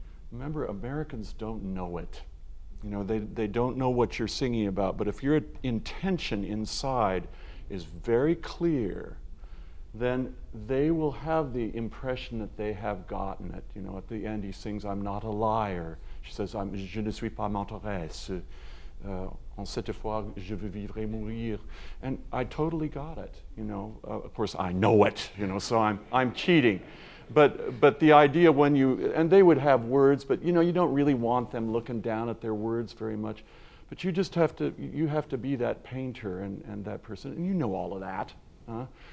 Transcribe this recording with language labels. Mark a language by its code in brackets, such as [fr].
[en] Remember, Americans don't know it. You know, they don't know what you're singing about, but if your intention inside is very clear, then they will have the impression that they have gotten it. You know, at the end he sings, I'm not a liar. She says, [fr] je ne suis pas menteresse. En cette fois, je veux vivre et mourir. [en] And I totally got it, you know. Of course, I know it, you know, so I'm cheating. But the idea when you, and they would have words, but, you know, you don't really want them looking down at their words very much. But you just have to, you have to be that painter and that person, and you know all of that. Huh?